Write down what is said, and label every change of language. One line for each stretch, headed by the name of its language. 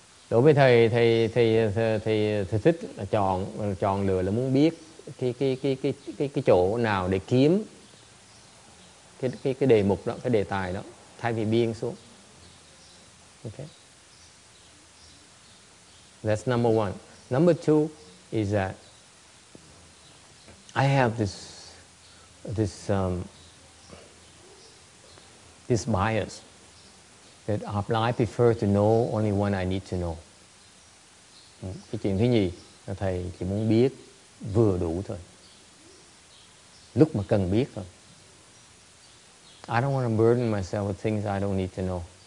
Vietnamese: Đối với thầy thích là chọn lựa là muốn biết cái chỗ nào để kiếm cái đề mục đó, cái đề tài đó, thay vì biên xuống.
English: Okay. That's number one. Number two is that I have this bias that I prefer to know only when I need to know.
Vietnamese: Cái chuyện thứ nhì là thầy chỉ muốn biết vừa đủ thôi. Lúc mà cần biết thôi.
English: I don't want to burden myself with things I don't need to know.